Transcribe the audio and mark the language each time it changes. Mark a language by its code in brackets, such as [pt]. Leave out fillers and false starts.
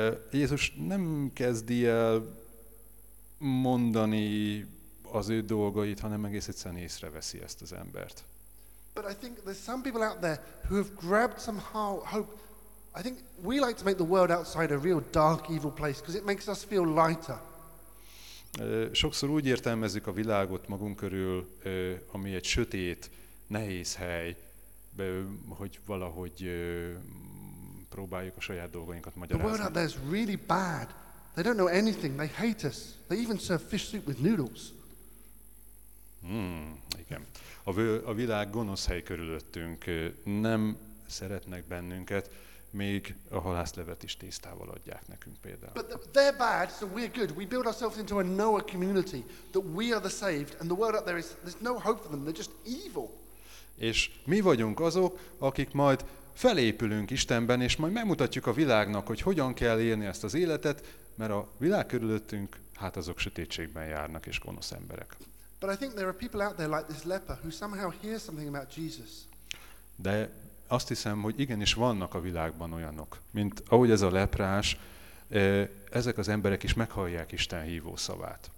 [hu] Jézus nem kezdi el mondani az ő dolgait, hanem egész egyszerűen észreveszi ezt az embert. [en] But I think there's some people out there who have grabbed some hope. I think we like to make the world outside a real dark, evil place because it makes us feel lighter. [hu] Sokszor úgy értelmezzük a világot magunk körül, ami egy sötét, nehéz hely, hogy valahogy próbáljuk a saját dolgainkat magyarázni. [en] The world out there is really bad. They don't know anything. They hate us. They even serve fish soup with noodles. [hu] Igen. A világ gonosz hely körülöttünk. Nem szeretnek bennünket, még a halászlevet is tésztával adják nekünk például. [en] But they're bad, so we're good. We build ourselves into a Noah community, that we are the saved, and the world out there is, there's no hope for them, they're just evil. [hu] És mi vagyunk azok, akik majd felépülünk Istenben, és majd megmutatjuk a világnak, hogy hogyan kell élni ezt az életet, mert a világ körülöttünk, hát azok sötétségben járnak, és gonosz emberek. [en] But I think there are people out there like this leper who somehow hear something about Jesus. [hu] De azt hiszem, hogy igenis vannak a világban olyanok, mint ahogy ez a leprás, ezek az emberek is meghallják Isten hívó szavát.